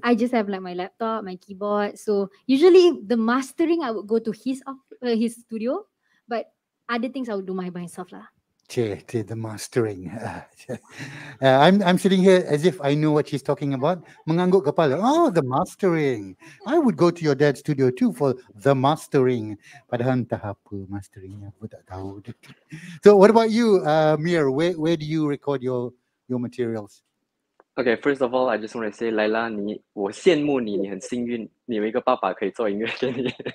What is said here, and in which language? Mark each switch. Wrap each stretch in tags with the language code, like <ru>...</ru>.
<en>I just have like my laptop, my keyboard. So usually the mastering, I would go to his studio, but other things I would do by myself lah. The mastering. I'm sitting here as if I know what she's talking about.</en> <ms>Mengangguk kepala.</ms> <en>Oh, the mastering. I would go to your dad's studio too for the mastering.</en> <ms>Padahal entah apa masteringnya, aku tak tahu.</ms> <en>So what about you, Meer? Where do you record your materials? Okay, first of all, I just want to say, Layla,</en> <zh>我羡慕你，你很幸运，你有一个爸爸可以做音乐给你。</zh>